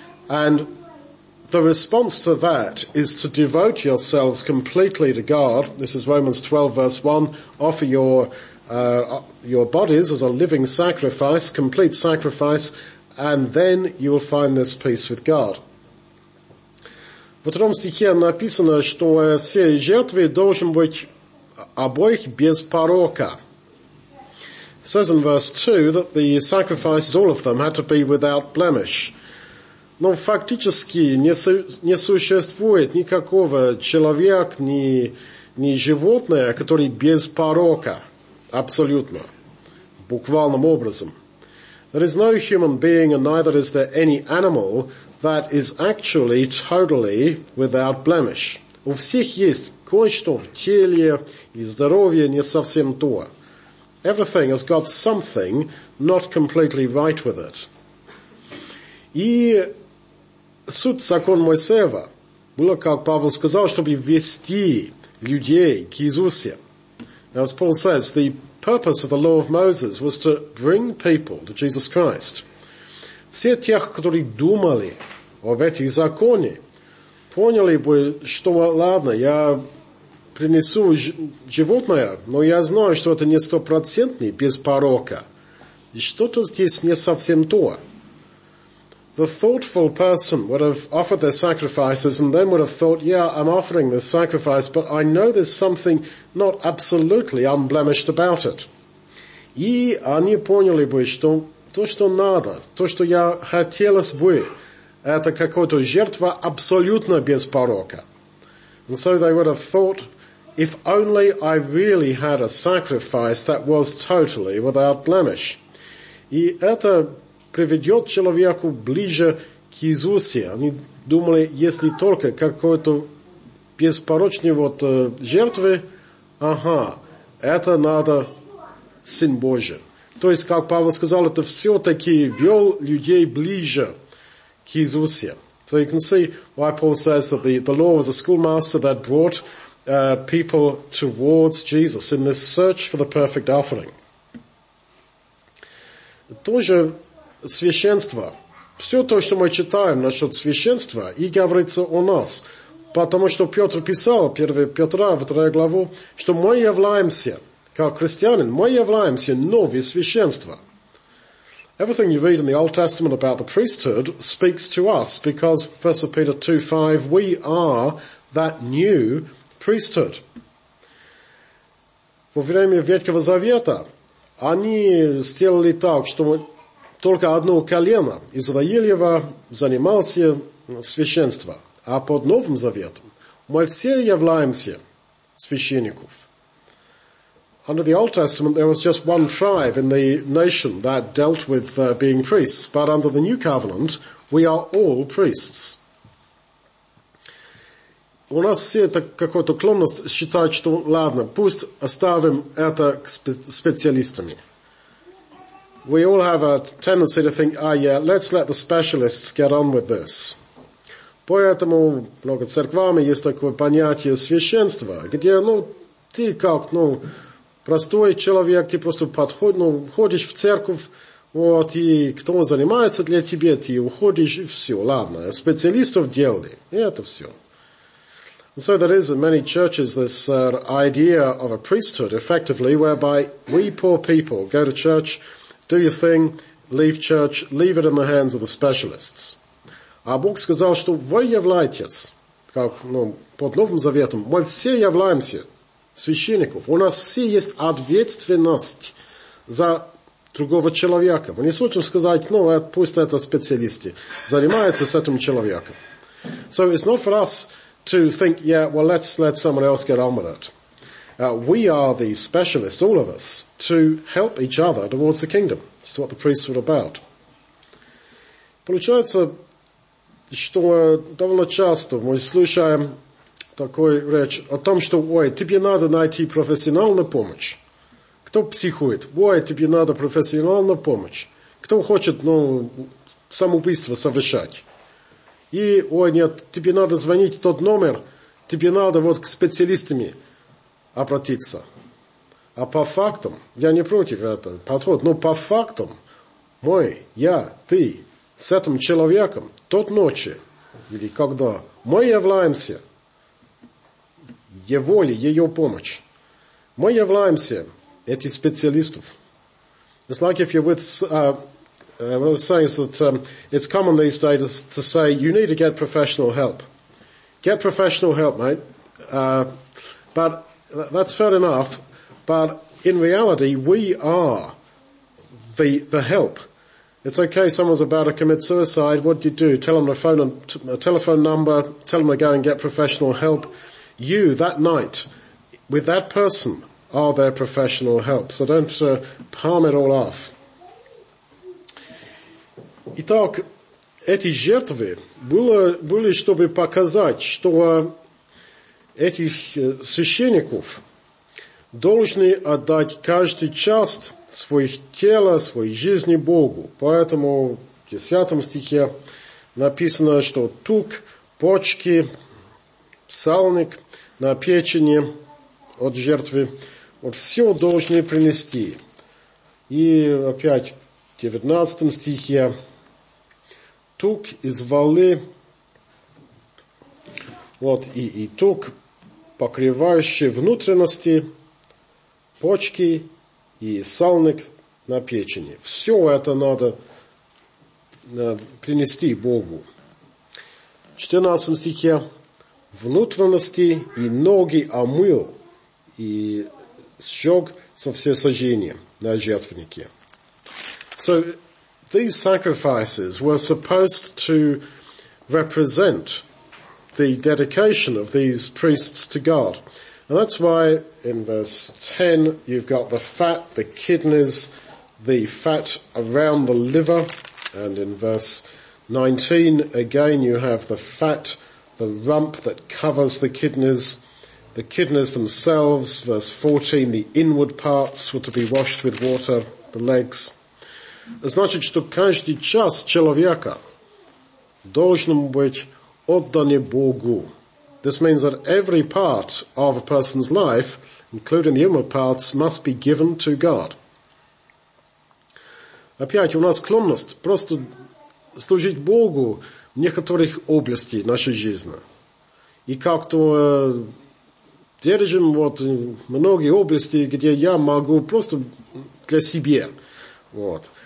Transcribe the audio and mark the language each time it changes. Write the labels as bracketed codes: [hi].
[en] And the response to that is to devote yourselves completely to God. This is Romans 12, verse 1. Offer your bodies as a living sacrifice, complete sacrifice, and then you will find this peace with God. [ru] В втором стихе написано, что все жертвы должны быть обоих без порока. [en] It says in verse 2 that the sacrifices, all of them, had to be without blemish. [ru] Но фактически не существует никакого человека, ни животное, который без порока. Абсолютно. Буквальным образом. [en] There is no human being, and neither is there any animal, that is actually totally without blemish. [ru] У всех есть кое-что в теле, и здоровье не совсем то. [en] Everything has got something not completely right with it. [ru] И суд закон Моисеева было, как Павел сказал, чтобы вести людей к Иисусе. [en] Now, as Paul says, the purpose of the law of Moses was to bring people to Jesus Christ. [ru] Все тех, которые думали об этих законе, поняли бы, что ладно, я принесу животное, но я знаю, что это не стопроцентный, без порока. И что-то здесь не совсем то. [en] The thoughtful person would have offered their sacrifices and then would have thought, yeah, I'm offering this sacrifice, but I know there's something not absolutely unblemished about it. [ru] И они поняли бы, что то, что надо, то, что я хотелось бы, это какая-то жертва абсолютно без порока. [en] And so they would have thought, if only I really had a sacrifice that was totally without blemish. [ru] И это приведет человеку ближе к Иисусе. Они думали, если только какой-то беспорочный вот жертвы, ага, это надо Сын Божий. То есть, как Павел сказал, это все-таки вел людей ближе к Иисусе. [en] So you can see why Paul says that the law was a schoolmaster that brought people towards Jesus in this search for the perfect offering. [ru] Тоже священство. Все то, что мы читаем насчет священства, и говорится о нас. Потому что Петр писал, 1 Петра, 2 главу, что мы являемся, как христианин, мы являемся новым священством. [en] Everything you read in the Old Testament about the priesthood speaks to us because 1 Peter 2:5, we are that new priesthood. [ru] Во време Ветхого Завета они сделали так, что только одно колено Израилево занимался священство, а под Новым Заветом мы все являемся священников. [en] Under the Old Testament, there was just one tribe in the nation that dealt with being priests. But under the New Covenant, we are all priests. [ru] У нас все это какую-то склонность считать, что ладно, пусть оставим это специалистами. [en] We all have a tendency to think, ah, yeah, let's let the specialists get on with this. [ru] Поэтому много церквами есть такое понятие священства, где, ну, ты как, ну, простой человек, ты просто подходишь, ну, ходишь в церковь, вот, и кто занимается для тебя, ты уходишь, и все, ладно, специалистов делали, и это все. [en] And so there is in many churches this idea of a priesthood, effectively, whereby we poor people go to church, do your thing, leave church, leave it in the hands of the specialists. [ru] А Бог сказал, что вы являетесь, как, ну, под Новым Заветом, мы все являемся священников. У нас все есть ответственность за другого человека. Мы не сможем сказать, ну, пусть это специалисты занимаются с этим человеком. [en] So it's not for us to think, yeah, well, let's let someone else get on with it. We are the specialists, all of us, to help each other towards the kingdom. That's what the priests were about. [ru] Получается, что довольно часто мы слушаем такой речь о том, что, ой, тебе надо найти профессиональную помощь. Кто психует? Ой, тебе надо профессиональную помощь. Кто хочет, ну, самоубийство совершать? И, ой, нет, тебе надо звонить тот номер, тебе надо вот к специалистам обратиться. А по фактам, я не против этого подхода, но по фактам, мой, я, ты, с этим человеком, тот ночи, или когда мы являемся его или ее помощь, мы являемся этих специалистов. [en] It's like if you're with... what I'm saying is that it's common these days to say you need to get professional help. Get professional help, mate. But that's fair enough. But in reality, we are the help. It's okay. Someone's about to commit suicide. What do? Tell them to phone a telephone number. Tell them to go and get professional help. You that night with that person are their professional help. So don't palm it all off. [ru] Итак, эти жертвы были, чтобы показать, что этих священников должны отдать каждый час своих тела, своей жизни Богу. Поэтому в 10 стихе написано, что тук, почки, псалник на печени от жертвы, вот все должны принести. И опять в 19 стихе. Тук из валы, вот, и тук, покрывающий внутренности, почки и псалник на печени. Все это надо принести Богу. В 14 стихе, внутренности и ноги омыл и сжег со всесожжения на жертвеннике. [en] So, these sacrifices were supposed to represent the dedication of these priests to God. And that's why in verse 10 you've got the fat, the kidneys, the fat around the liver. And in verse 19 again you have the fat, the rump that covers the kidneys themselves. Verse 14, the inward parts were to be washed with water, the legs. [ru] Значит, что каждый час человека должен быть отдан Богу. [en] This means that every part of a person's life, including the inward parts, must be given to God. [ru] Опять, у нас склонность просто служить Богу в некоторых областях нашей жизни. И как-то держим вот многие области, где я могу просто для себя. Вот.